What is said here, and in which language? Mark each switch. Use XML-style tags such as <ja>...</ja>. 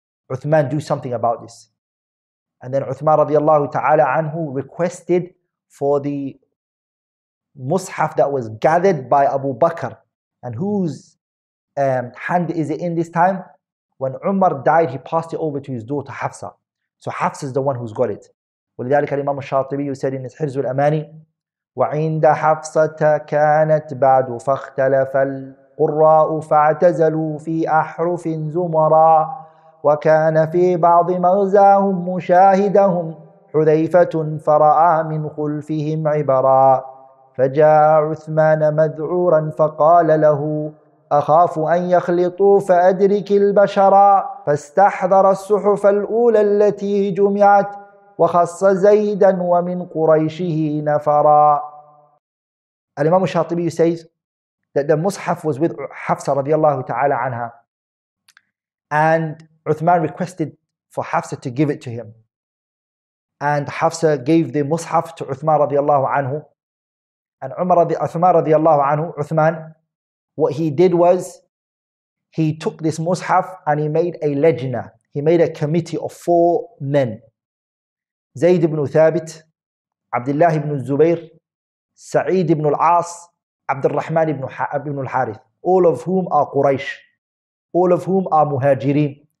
<en>Uthman, do something about this. And then Uthman radiallahu ta'ala anhu requested for the Mus'haf that was gathered by Abu Bakr. And whose hand is it in this time? When Umar died, he passed it over to his daughter Hafsa. So Hafsa is the one who's got it.</en> <ar>ولذلك الإمام الشاطبي</ar> <en>said in his</en> <ar>حرز الأماني وعند حفصة كانت بعد فاختلف القراء فاعتزلوا في أحرف زمرا وكان في بعض مغزاهم مشاهدهم حذيفة فرأى من خلفهم عبرا فجاء عثمان مذعورا فقال له أخاف أن يخلطوا فأدرك البشرا فاستحضر الصحف الأولى التي جمعت وخص زيدا ومن قريشه نفرا.</ar> <en>الإمام الشاطبي says that the Mus'haf was with Hafsa radiallahu ta'ala anha, and Uthman requested for Hafsa to give it to him, and Hafsa gave the Mus'haf to Uthman radiallahu anhu, and Uthman radiallahu anhu, Uthman, what he did was he took this Mus'haf and he made a lejna, he made a committee of four men: Zayd ibn Thabit, Abdullah ibn Zubayr, Sa'id ibn al-As, Abdurrahman ibn al-Harith, all of whom are Quraysh, all of whom are Muhajirin.</en>